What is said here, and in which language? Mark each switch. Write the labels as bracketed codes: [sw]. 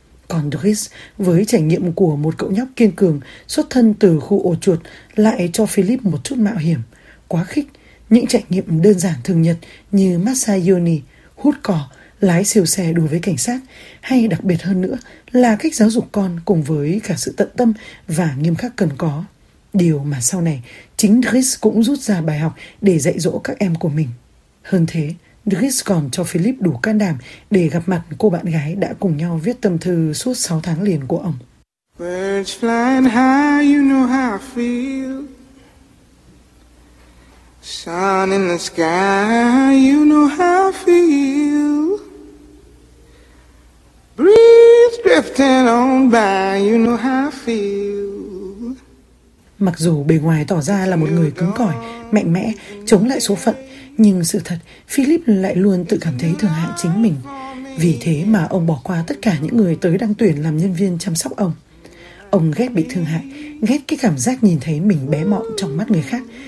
[vi] Còn Chris, với trải nghiệm của một cậu nhóc kiên cường xuất thân từ khu ổ chuột, lại cho Philip một chút mạo hiểm, quá khích, những trải nghiệm đơn giản thường nhật như massage yoni, hút cỏ, lái siêu xe đùa với cảnh sát, hay đặc biệt hơn nữa là cách giáo dục con cùng với cả sự tận tâm và nghiêm khắc cần có. Điều mà sau này, chính Chris cũng rút ra bài học để dạy dỗ các em của mình. Hơn thế, Dries còn cho Philip đủ can đảm để gặp mặt cô bạn gái đã cùng nhau viết tâm thư suốt 6 tháng liền của ông. [en] Birds flying high, you know how I feel. Sun in the sky, you know how I feel. Breeze drifting on by, you know how I feel. [vi] Mặc dù bề ngoài tỏ ra là một người cứng cỏi, mạnh mẽ, chống lại số phận, nhưng sự thật, Philip lại luôn tự cảm thấy thương hại chính mình. Vì thế mà ông bỏ qua tất cả những người tới đăng tuyển làm nhân viên chăm sóc ông. Ông ghét bị thương hại, ghét cái cảm giác nhìn thấy mình bé mọn trong mắt người khác.